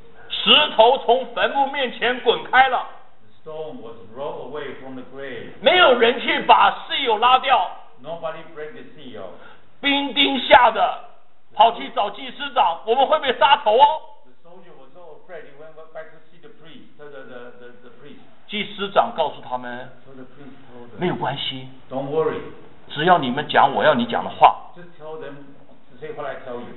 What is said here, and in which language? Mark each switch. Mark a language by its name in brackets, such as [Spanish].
[Chinese] 石头从坟墓面前滚开了。 [English] The stone was rolled away from the grave. [Chinese] 没有人去把石油拉掉。 [English] Nobody break the seal. [Chinese] 兵丁吓得跑去找祭司长，我们会被杀头哦。 [English] The soldier was so afraid he went back to see the priest. The priest. [Chinese] 祭司长告诉他们， [English] so、the priest told them, [Chinese] 没有关系。 [English] Don't worry. [Chinese] 只要你们讲我要你讲的话。 [English] Just tell them to say what I tell you.